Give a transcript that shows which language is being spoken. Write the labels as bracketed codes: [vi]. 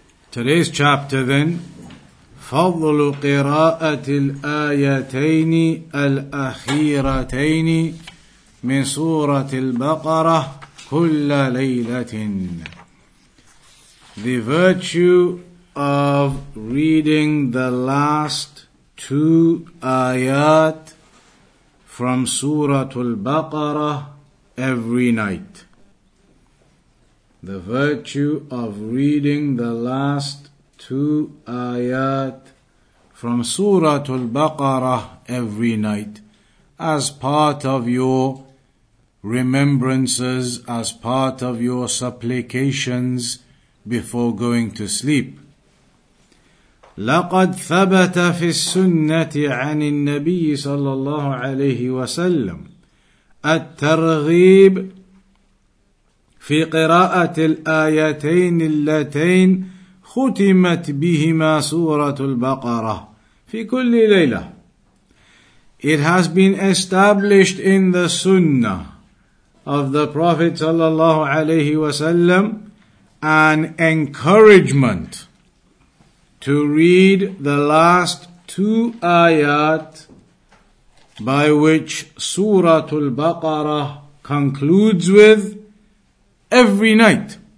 [en] Today's chapter then, [ar] فَضْلُ قِرَاءَةِ الْآيَتَيْنِ الْأَخِيرَتَيْنِ مِنْ سُورَةِ الْبَقَرَةِ كُلَّ لَيْلَةٍ. [en] The virtue of reading the last two ayat from Surah Al-Baqarah every night. The virtue of reading the last two ayat from Surah Al-Baqarah every night as part of your remembrances, as part of your supplications before going to sleep. [ar] لَقَدْ ثَبَتَ فِي السُّنَّةِ عَنِ النَّبِيِّ صَلَّى اللَّهُ عَلَيْهِ وَسَلَّمَ الْتَرْغِيبُ في قراءة الآيتين اللتين ختمت بهما سورة البقرة في كل ليلة. [en] It has been established in the Sunnah of the Prophet [ar] صلى الله عليه وسلم [en] an encouragement to read the last two ayat by which سورة البقرة concludes with every night.